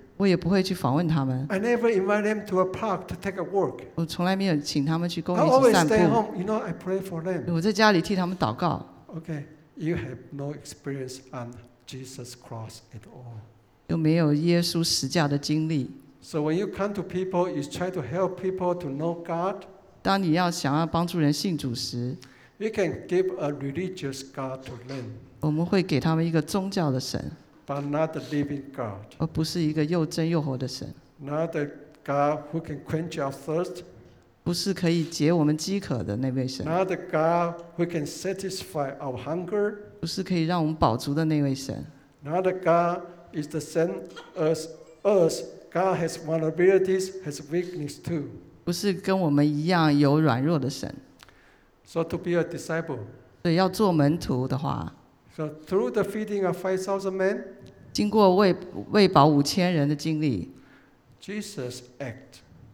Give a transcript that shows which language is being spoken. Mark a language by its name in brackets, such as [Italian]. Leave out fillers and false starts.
[Chinese] 我也不会去访问他们。 [English] I never invite them to a park to take a walk. [Chinese] 我从来没有请他们去公园散步。 [English] I always stay home. You know, I pray for them. [Chinese] 我在家里替他们祷告。 [English] Okay. You have no experience on Jesus' cross at all. [Chinese] 又没有耶稣十架的经历。 [English] So when you come to people, you try to help people to know God. [Chinese] 当你要想要帮助人信主时 [English] ，you can give a religious God to them. [Chinese] 我们会给他们一个宗教的神 [English] ，but not the living God. [Chinese] 而不是一个又真又活的神 [English] ，not the God who can quench our thirst. [Chinese] 不是可以解我们饥渴的那位神。 [English] Not the God who can satisfy our hunger. [Chinese] 不是可以让我们饱足的那位神。 [English] Not the God is the same as us. God has vulnerabilities, has weakness too. [Chinese] 不是跟我们一样有软弱的神。 [English] So to be a disciple. [Chinese] 所以要做门徒的话。 [English] So through the feeding of 5,000 men. [Chinese] 经过喂饱五千人的经历。 [English] Jesus act.